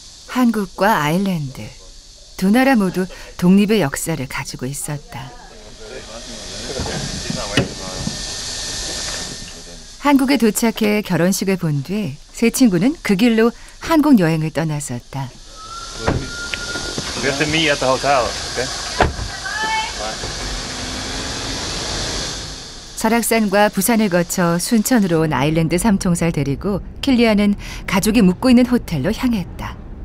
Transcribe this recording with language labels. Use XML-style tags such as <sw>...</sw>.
<ko>한국과 아일랜드 두 나라 모두 독립의 역사를 가지고 있었다. 한국에 도착해 결혼식을 본 뒤 세 친구는 그 길로 한국 여행을 떠났었다.</ko> <en>We have to meet at the hotel, okay?</en> <ko>설악산과 부산을 거쳐 순천으로 온 아일랜드 삼총사를 데리고 킬리안은 가족이 묵고 있는 호텔로 향했다.</ko>